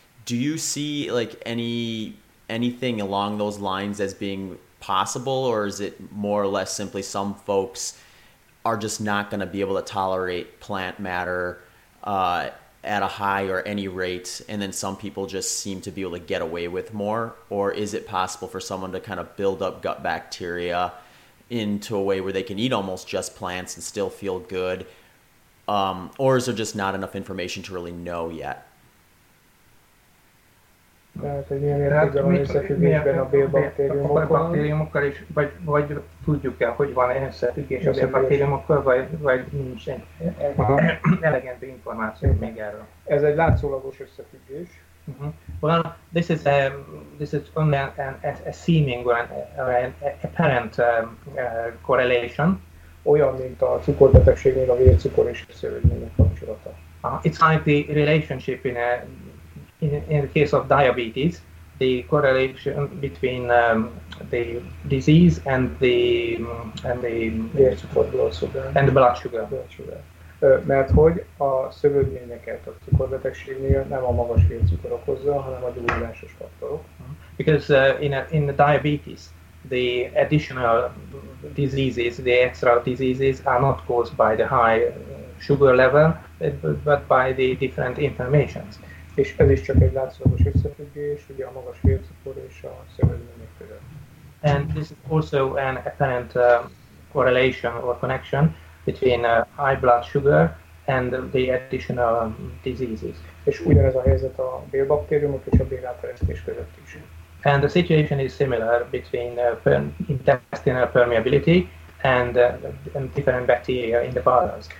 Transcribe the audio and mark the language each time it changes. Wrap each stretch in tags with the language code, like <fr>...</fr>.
<en>Do you see like anything along those lines as being possible, or is it more or less simply some folks are just not going to be able to tolerate plant matter at a high or any rate, and then some people just seem to be able to get away with more? Or is it possible for someone to kind of build up gut bacteria into a way where they can eat almost just plants and still feel good? Or is there just not enough information to really know yet?</en> <hu>Tehát egy ilyen összefüggésben a bélbaktériumokkal, és vagy tudjuk-e, hogy van összefüggés a bélbaktériumokkal, vagy nincs elegendő információ még erről. Ez egy látszólagos összefüggés.</hu> <en>Well, this is only a seeming or an apparent correlation.</en> <hu>Olyan, mint a cukorbetegségnél a vércukor és a szőlőgyűlő kapcsolata.</hu> <en>It's like the relationship in the case of diabetes, the correlation between the disease and the blood sugar.</en> <hu>Mert hogy a szövődményeket a cukorbetegségnél nem a magas vércukor okozza, hanem a gyulladásos faktorok.</hu> <en>Because in the diabetes, the additional diseases, the extra diseases are not caused by the high sugar level, but by the different inflammations.</en> <hu>És ez is csak egy látszólagos összefüggés, ugye a magas vércukor és a szövődmények között.</hu> <en>And this is also an apparent correlation or connection between high blood sugar and the additional diseases.</en> <hu>És ugyanez a helyzet a bélbaktériumok és a bélátteresztés között is.</hu> <en>And the situation is similar between intestinal permeability and different bacteria in the bowels.</en>